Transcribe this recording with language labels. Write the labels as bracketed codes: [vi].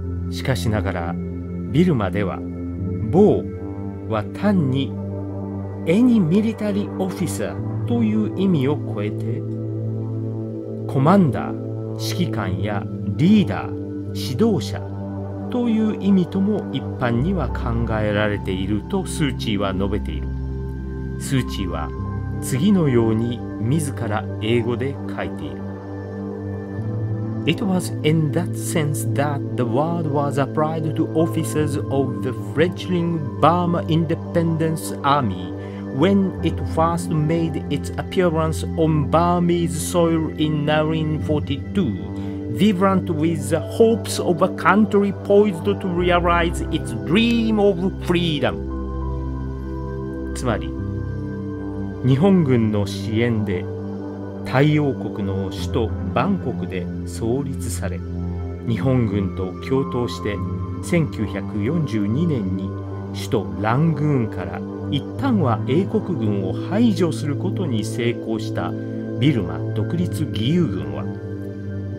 [ja] しかしながらビルマでは暴は単に [en] any military officer [ja] という意味を超えて、コマンダー指揮官やリーダー指導者という意味とも一般には考えられているとスー・チーは述べている。スー・チーは次のように自ら英語で書いている。 [en] It was in that sense that the word was applied to officers of the fledgling Burma Independence Army when it first made its appearance on Burmese soil in 1942. Vibrant with the hopes of a country poised to realize its dream of freedom。 [ja] つまり、日本軍の支援で太陽国の首都バンコクで創立され、日本軍と共闘して1942年に首都ラングーンから一旦は英国軍を排除することに成功したビルマ独立義勇軍は、